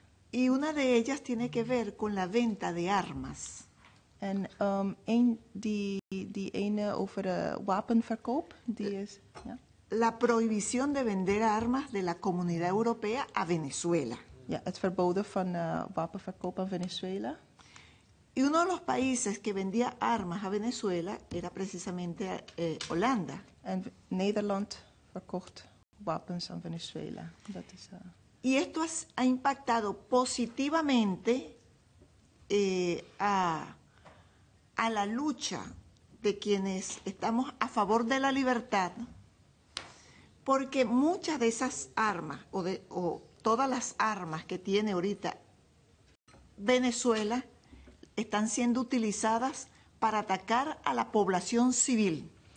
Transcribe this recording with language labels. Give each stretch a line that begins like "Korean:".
Spanish: Y una de ellas tiene que ver con la venta de armas.
Dutch: En die ene over wapenverkoop, die is... Ja.
Spanish: La prohibición de vender armas de la Comunidad Europea a Venezuela.
Dutch: Ja, het verboden van wapenverkoop aan Venezuela.
Spanish: Y uno de los países que vendía armas a Venezuela era precisamente Holanda.
Dutch: En Nederland verkocht wapens aan Venezuela. Dat is,
Spanish: Y esto ha impactado positivamente a la lucha de quienes estamos a favor de la libertad, porque muchas de esas armas o todas las armas que tiene ahorita Venezuela están siendo utilizadas para atacar a la población civil.